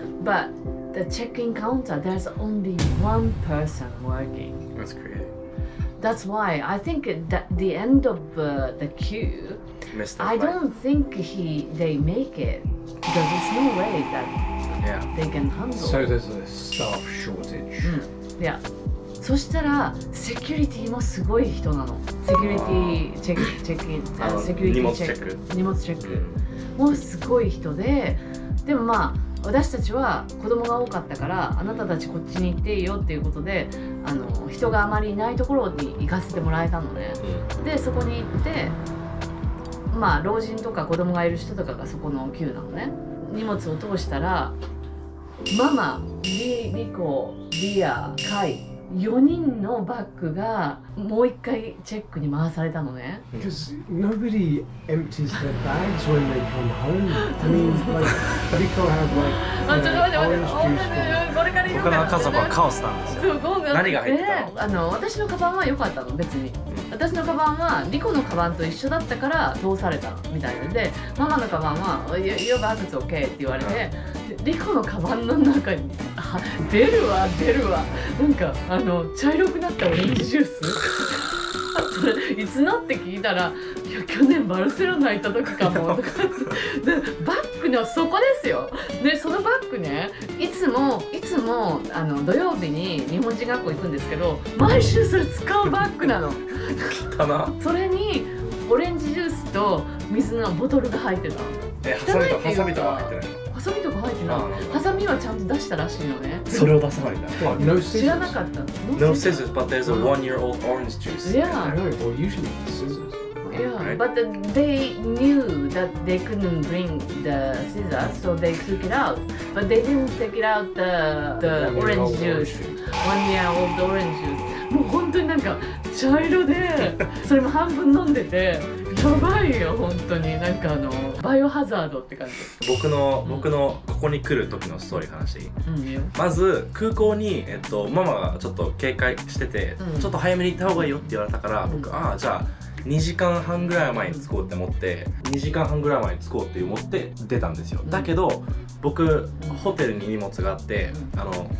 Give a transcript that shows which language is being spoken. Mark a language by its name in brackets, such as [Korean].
[English] But the check-in counter, there's only one person working. That's crazy. That's why I think that the end of the queue, I don't think they make it. Because there's no way that they can handle. So there's a staff shortage. Mm. Yeah. [Japanese] そしたらセキュリティもすごい人なの。セキュリティチェック、チェックイン、セキュリティチェック、荷物チェックもすごい人で、でもまあ私たちは子供が多かったから、あなたたちこっちに行っていいよっていうことで、あの人があまりいないところに行かせてもらえたのね。でそこに行って、まあ老人とか子供がいる人とかがそこの Q なのね。荷物を通したら、ママ、リ、リコ、リア、カイ、4人のバッグがもう一回チェックに回されたのね。 [English] Because nobody empties their bags when they come home. I mean, like, Rico had like, you know, orange juice. [Japanese] 他の家族はカオスなんですよ。何が入ってたの？あの、私のカバンは良かったの、別に。私のカバンはリコのカバンと一緒だったから通されたみたいなんで、ママのカバンは [English] Your bag is OK [Japanese] って言われて、リコのカバンの中に出るわ出るわ、なんかあの茶色くなったオレンジジュースいつなって聞いたら、いや去年バルセロナ行った時かもとかで、バッグの底ですよ。でそのバッグね、いつもいつもあの土曜日に日本人学校行くんですけど、毎週それ使うバッグなの汚な。それにオレンジジュースと水のボトルが入ってた。汚いっていうか、ハサミとか入ってない。ハサミとか入ってない。ハサミはちゃんと出したらしいのね。それを出さないんだ。知らなかった。 [English] No scissors, but there's a one-year-old orange juice. Yeah. No, well, usually it's scissors. Yeah, but they knew that they couldn't bring the scissors, so they took it out. But they didn't take it out the orange juice. One-year-old orange juice. [Japanese] もう本当になんか茶色で、それも半分飲んでて、やばいよ本当に。なんかあのバイオハザードって感じ。僕のここに来る時のストーリー話、うん、いいよ。まず空港に、ママがちょっと警戒してて、うん、ちょっと早めに行った方がいいよって言われたから、うん、僕ああじゃあ2時間半ぐらい前に着こうって思って、うん、2時間半ぐらい前に着こうって思って出たんですよ、うん、だけど僕ホテルに荷物があって、うん、あの